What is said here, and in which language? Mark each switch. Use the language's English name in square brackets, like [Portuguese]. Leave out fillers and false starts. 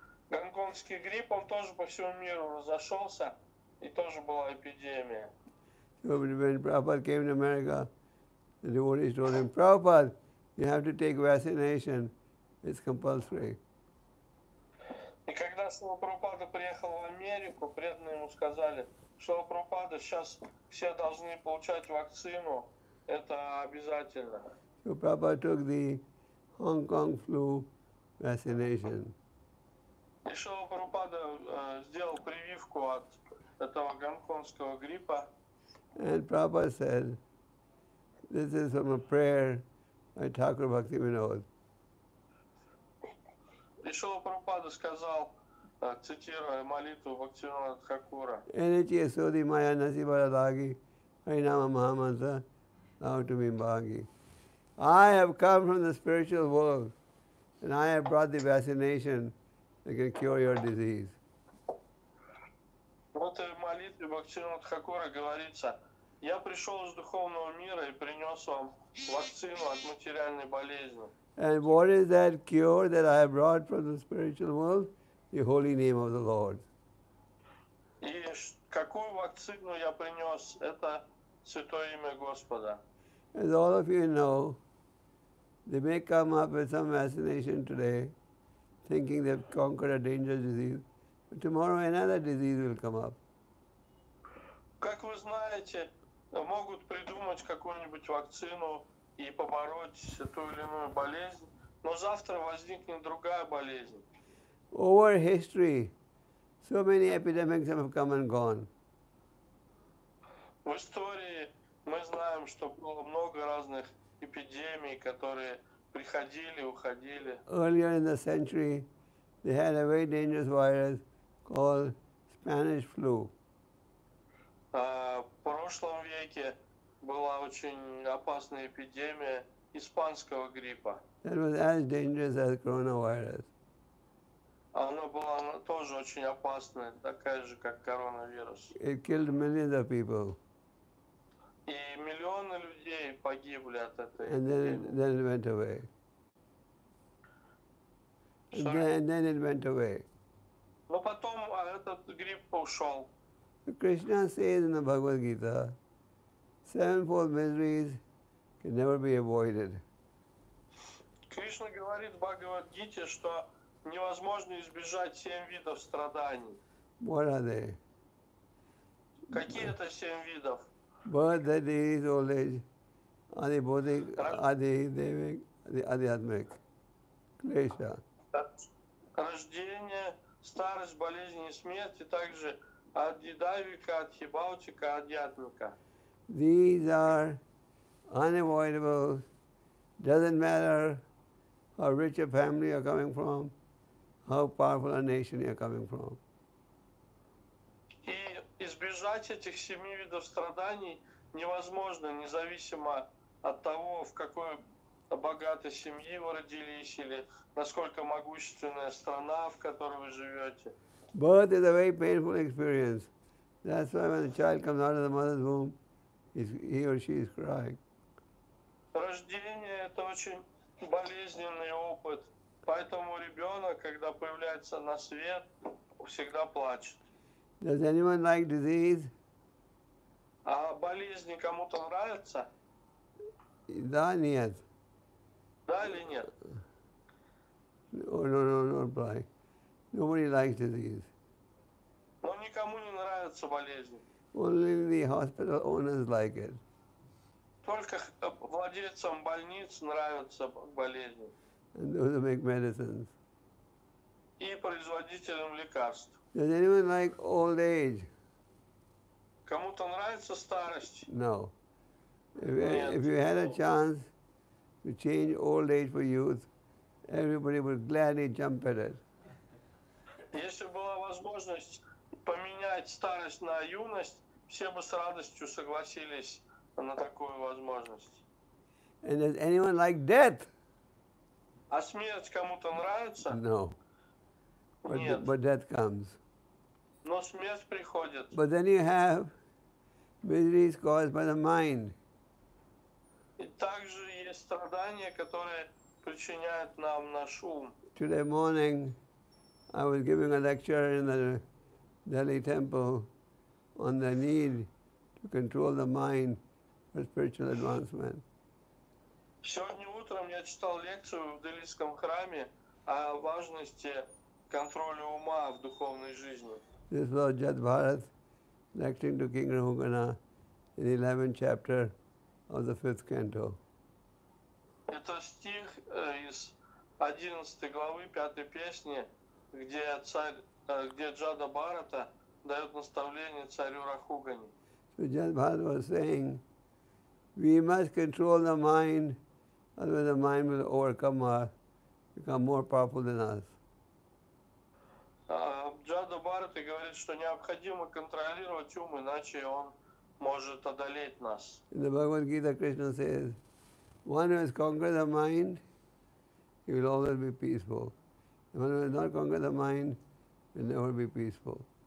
[Russian] Гонконгский грипп, он тоже по всему миру разошелся, и тоже была эпидемия. [English] So when Prabhupada came to America, the devotees told him, Prabhupada, you have to take vaccination, it's compulsory. [Russian] И когда Шрила Прабхупада приехал в Америку, преданные ему сказали, Шрила Прабхупада, сейчас все должны получать вакцину, это обязательно. [English] So Prabhupada took the Hong Kong flu vaccination. [Russian] И Шрила Прабхупада сделал прививку от этого гонконгского гриппа. [English] And Prabhupada said, this is from a prayer by Thakur Bhaktivinoda. [Russian] И Шрила Прабхупада сказал, цитируя молитву Бхактивинода Тхакура. Energy is so the maya nasibaradagi, harinama mahamantra, lautumimbhagi. [English] I have come from the spiritual world, and I have brought the vaccination. They can cure your disease. [Russian] Вот в молитве Бхактивинода Тхакура говорится, я пришел из духовного мира и принес вам вакцину от материальной болезни. [English] And what is that cure that I have brought from the spiritual world? The holy name of the Lord. [Russian] И какую вакцину я принес? Это святое имя Господа. [English] As all of you know, they may come up with some vaccination today, thinking they've conquered a dangerous disease. But tomorrow another disease will come up. [Russian] Как вы знаете, могут придумать какую-нибудь вакцину и побороть ту или иную болезнь, но завтра возникнет другая болезнь. [English] Over history, so many epidemics have come and gone. [Russian] В истории мы знаем, что было много разных эпидемий, которые приходили, уходили. [English] Earlier in the century, they had a very dangerous virus called Spanish flu. [Russian] В прошлом веке была очень опасная эпидемия испанского гриппа. [English] It was as dangerous as coronavirus. [Russian] Она была тоже очень опасная, такая же, как коронавирус. [English] It killed millions of people. [Russian] И миллионы людей погибли от этой [English] And [Russian] эпидемии. [English] Then it went away. And then it went away. [Russian] Но потом этот грипп ушел. [English] Krishna says in the Bhagavad Gita, sevenfold miseries can never be avoided. [Russian] Krishna говорит в Bhagavad Gita, что невозможно избежать семь видов страданий. [English] What are they? [Russian] Какие это семь видов? [English] Birth, that is old age, adibodhik, adidevik, adiatmik, klesha. [Russian] Рождение, старость, болезнь и смерть, и также адидавика, адхибаутика, адиатмика. [English] These are unavoidable. Doesn't matter how rich a family you're coming from, how powerful a nation you're coming from. [Russian] И избежать этих семи видов страданий невозможно, независимо от того, в какой богатой семье вы родились или насколько могущественная страна, в которой вы живете. [English] Birth is a very painful experience. That's why when a child comes out of the mother's womb, he or she is crying. [Russian] Рождение – это очень болезненный опыт. Поэтому ребенок, когда появляется на свет, всегда плачет. [English] Does anyone like disease? [Russian] А болезни кому-то нравятся? Да, нет. Да или нет? [English] No, reply. Nobody likes disease. [Russian] Но никому не нравятся болезни. [English] Only the hospital owners like it. [Russian] Только владельцам больниц нравятся болезни. [English] and those who make medicines. [Russian] И производителям лекарств. [English] Does anyone like old age? [Russian] Кому-то нравится старость? [English] No. If you had a chance to change old age for youth, everybody would gladly jump at it. [Russian] Если была возможность поменять старость на юность, все бы с радостью согласились на такую возможность. [English] And does anyone like death? [Russian] А смерть кому-то нравится? [English] No. But death comes. [Russian] Но смерть приходит. [English] But then you have miseries caused by the mind. [Russian] И также есть страдания, которые причиняют нам наш ум. [English] Today morning, I was giving a lecture in the Delhi temple on the need to control the mind for spiritual advancement. [Russian] Сегодня утром я читал лекцию в Делийском храме о важности контроля ума в духовной жизни. [English] This was Jad Bharat lecturing to King Rahugana in the 11th chapter of the 5th canto. [Russian] Это стих из 11 главы 5 песни, где Джада Бхарата дает наставление царю Рахугане. [English] So Jad Bharat was saying, we must control the mind, otherwise the mind will overcome us, become more powerful than us. [Russian] Джада Бхарата говорит, что необходимо контролировать ум, иначе он может одолеть нас. [English] In the Bhagavad Gita, Krishna says, one who has conquered the mind, he will always be peaceful. One who has not conquered the mind, will never be peaceful.